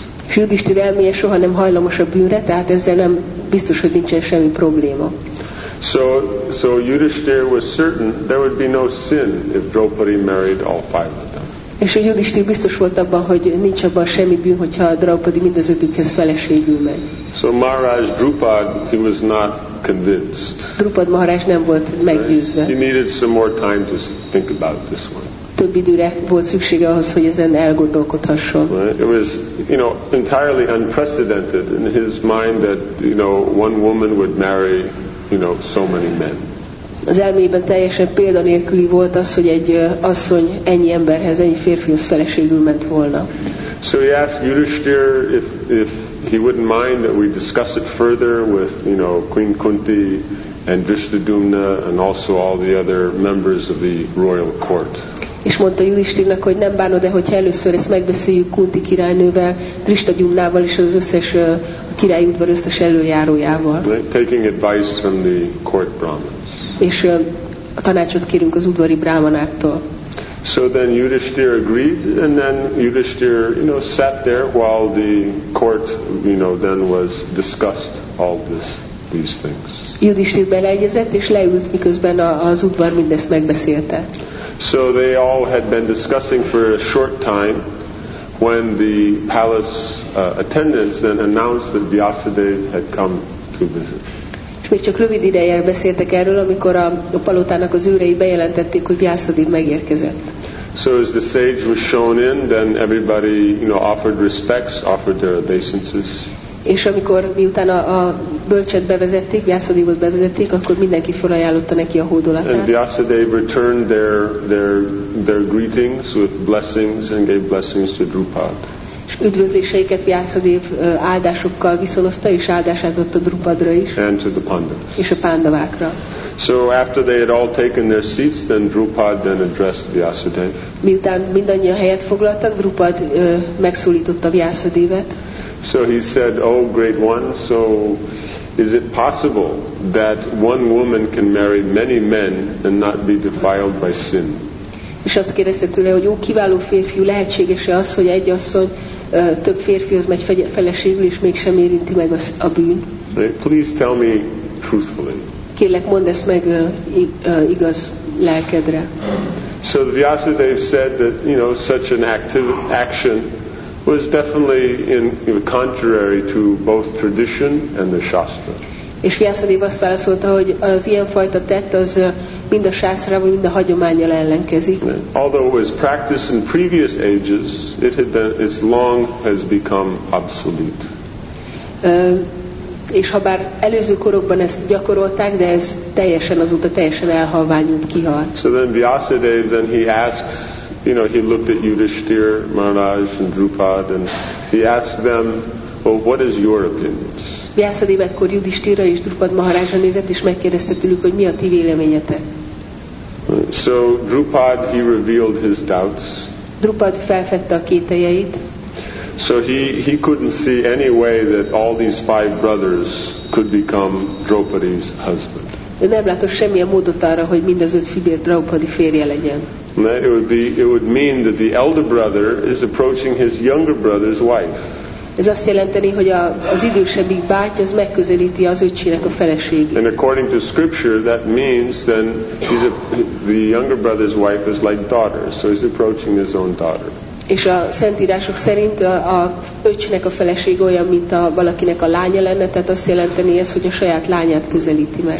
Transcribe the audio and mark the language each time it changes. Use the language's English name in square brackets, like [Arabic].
[Hungarian] És Yudhishthira elméje soha nem hajlamos a bűnre, tehát ezzel nem biztos, hogy nincsen semmi probléma. [English] So Yudhishthira was certain there would be no sin if Draupadi married all five of them. [Hungarian] És a Yudhishthira biztos volt abban, hogy nincs abban semmi bűn, hogyha a Draupadi mind az ötükhez feleségül megy. [English] So Maharaj Drupad, he was not convinced. [Hungarian] Drupad Maharaj nem volt meggyőzve. [English] He needed some more time to think about this one. [Hungarian] Több időre volt szüksége ahhoz, hogy ezen elgondolkodhasson. [English] It was, you know, entirely unprecedented in his mind that, you know, one woman would marry, you know, so many men. [Hungarian] Az elmében teljesen példanélküli volt az, hogy egy asszony ennyi emberhez, ennyi férfihoz feleségül ment volna. [English] So he asked Yudhishthira if he wouldn't mind that we discuss it further with, you know, Queen Kunti and Drishtadyumna and also all the other members of the royal court. [Hungarian] És mondta Yudhishthirának, hogy nem bánod-e, hogyha először ezt megbeszéljük Kunti királynővel, Drishtadyumnával és az összes a királyi udvar összes elöljárójával. [English] Taking advice from the court brahmins. [Hungarian] És a tanácsot kérünk az udvari brámanáktól. [English] So then Yudhishthira agreed, and then Yudhishthira, you know, sat there while the court, you know, then was discussed all these things. [Hungarian] Yudhishthira beleegyezett, és leült, miközben az udvar mindezt megbeszélte. [English] So they all had been discussing for a short time when the palace attendants then announced that Vyasadeva had come to visit. [Hungarian] Még csak rövid ideje beszéltek erről, amikor a palotának az őrei bejelentették, hogy Vyasadev megérkezett. [English] So as the sage was shown in, then everybody, you know, offered respects, offered their obeisances. [Hungarian] És amikor miután a bölcset bevezették, Vyasadevot bevezették, akkor mindenki felajánlotta neki a hódolatát. [English] And Vyasadev returned their greetings with blessings and gave blessings to Drupad. [Hungarian] És üdvözléseiket Vyasadev áldásokkal viszonozta, és áldását adott a Drupadra is. [English] And to the Pandavas. [Hungarian] És a Pandavákra. [English] So after they had all taken their seats, then Drupad then addressed Vyasadev. [Hungarian] Miután mindannyian helyet foglaltak, Drupad megszólította Vyasadevet. [English] So he said, oh great one, so is it possible that one woman can marry many men and not be defiled by sin? [Hungarian] És azt kérdezte tőle, hogy ó, kiváló férfiú, lehetséges-e az, hogy egy asszony több férfihoz megy feleségül, és mégsem érinti meg a bűn? [English] Please tell me truthfully. [Hungarian] Kérlek, mondd ezt meg igaz lelkedre. [English] So the Vyasadev said that, you know, such an active action was definitely in contrary to both tradition and the Shastra. [Hungarian] És Vyasadev azt válaszolta, hogy az ilyenfajta tett az mind a sászrával, mind a hagyománnyal ellenkezik. [English] Although it was practiced in previous ages, it had been, its long has become obsolete. [Hungarian] És habár előző korokban ezt gyakorolták, de ez teljesen azóta teljesen elhalványult, kihalt. [English] So then Vyasadev, then he asks, you know, he looked at Yudhishthira, Maharaj and Drupad, and he asked them, well, what is your opinion? [Hungarian] Vyasadev ekkor Yudhishthira és Drupad Maharajra nézett, és megkérdezte tőlük, hogy mi a ti véleményetek. [English] So Drupad, he revealed his doubts. [Hungarian] Drupad felfedte a kételjeit. [English] So he couldn't see any way that all these five brothers could become Draupadi's husband. [Hungarian] Ő nem látott semmilyen módot arra, hogy mind az öt fivér Draupadi férje legyen. [English] It would mean that the elder brother is approaching his younger brother's wife. [Hungarian] Ez azt jelenteni, hogy az idősebbik bátya az megközelíti az öcsének a feleségét. [English] And according to scripture, that means then the younger brother's wife is like daughter, so he's approaching his own daughter. [Hungarian] És a szentírások szerint a öcsnek a feleség olyan, mint a valakinek a lánya lenne, tehát azt jelenteni ez, hogy a saját lányát közelíti meg.